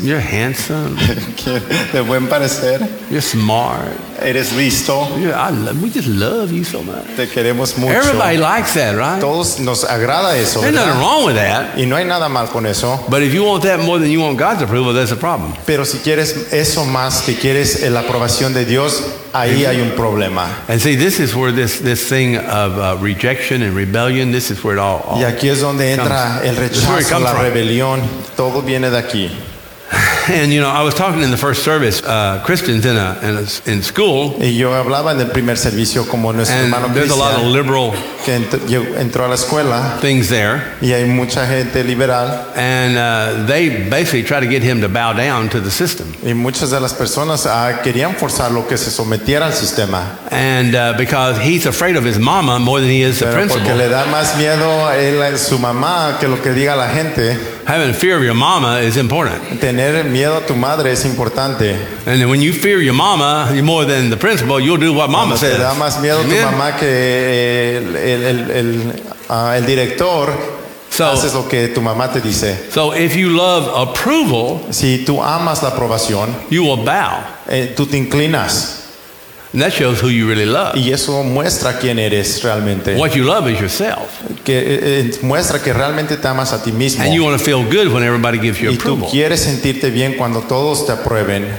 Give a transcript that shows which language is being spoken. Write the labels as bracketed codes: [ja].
[en] You're handsome. [es] De buen parecer. [en] You're smart. [es] Eres listo. [en] We just love you so much. [es] Te queremos mucho. [en] Everybody likes that, right? [es] Todos nos agrada eso, ¿verdad? [en] There's nothing wrong with that. [es] Y no hay nada mal con eso. [en] But if you want that more than you want God's approval, there's a problem. [es] Pero si quieres eso más que quieres la aprobación de Dios, ahí hay un problema. [en] And see, this is where this thing of rejection and rebellion, this is where it all [es] y aquí es donde entra [en] comes. [es] El rechazo, la rebelión. Todo viene de aquí. [en] And you know, I was talking in the first service, Christians in school. [es] Y yo hablaba en el primer servicio como nuestro hermano Cristian. [en] And there's a lot of liberal [es] que entró a la escuela. [en] Things there. [es] Y hay mucha gente liberal. [en] And they basically try to get him to bow down to the system. [es] Y muchas de las personas querían forzarlo que se sometiera al sistema. [en] And because he's afraid of his mama more than he is [es] pero [en] the principal. [es] Porque le da más miedo a él a su mamá que lo que diga la gente. [en] Having fear of your mama is important. [es] Tener miedo a tu madre es importante. [en] And when you fear your mama more than the principal, you'll do what mama says. [es] Te da más miedo tu mamá que el director. [en] So, [es] haces lo que tu mamá te dice. [en] So if you love approval, [es] si tú amas la aprobación, [en] you will bow. [es] Tú te inclinas. [en] And that shows who you really love. [es] Y eso muestra quién eres realmente. [en] What you love is yourself. [es] Que muestra que realmente te amas a ti mismo. [en] And you want to feel good when everybody gives you approval. [es] Y tú quieres sentirte bien cuando todos te aprueben.